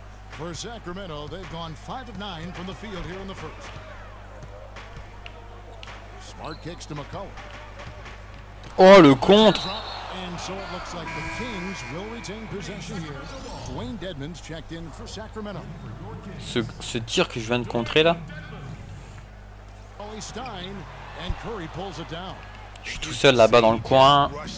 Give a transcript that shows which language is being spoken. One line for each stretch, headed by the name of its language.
English: For Sacramento, they've gone 5 of 9 from the field here in the first. Smart kicks to McCullough.
French: Oh, le contre.
English: And so it looks like the Kings will retain possession here. Dwayne Dedmon's checked in for Sacramento.
French: Ce tir que je viens de contrer là.
English: Ollie Stein and Curry pulls it down.
French: Je suis tout seul là-bas dans le coin.